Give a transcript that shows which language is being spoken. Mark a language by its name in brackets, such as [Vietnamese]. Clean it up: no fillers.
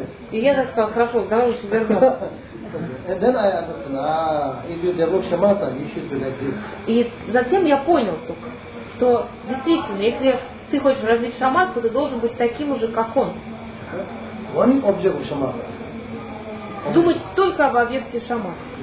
[Russian] И я так сказал, хорошо, давай лучше вернемся. [English] And then I understand, if you develop shamatha, you should be like this. [Russian] И затем я понял только, что действительно, если ты хочешь развить шаматху, ты должен быть таким же, как он. [English] One object of shamatha. [Russian] Думать только об объекте шамат.